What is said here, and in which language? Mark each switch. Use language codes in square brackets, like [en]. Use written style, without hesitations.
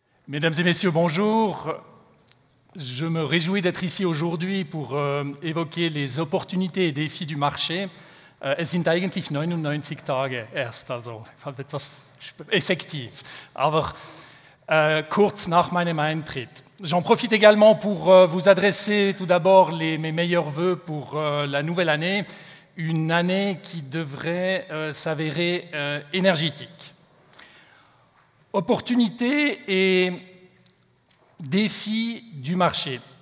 [fr] Mesdames et messieurs, bonjour. Je me réjouis d'être ici aujourd'hui pour évoquer les opportunités et défis du marché. [de] Es sind eigentlich 99 Tage erst, also etwas effektiv. Aber kurz nach meinem Eintritt. [fr] J'en profite également pour vous adresser tout d'abord mes meilleurs vœux pour la nouvelle année, une année qui devrait s'avérer énergétique. Opportunités et défis du marché.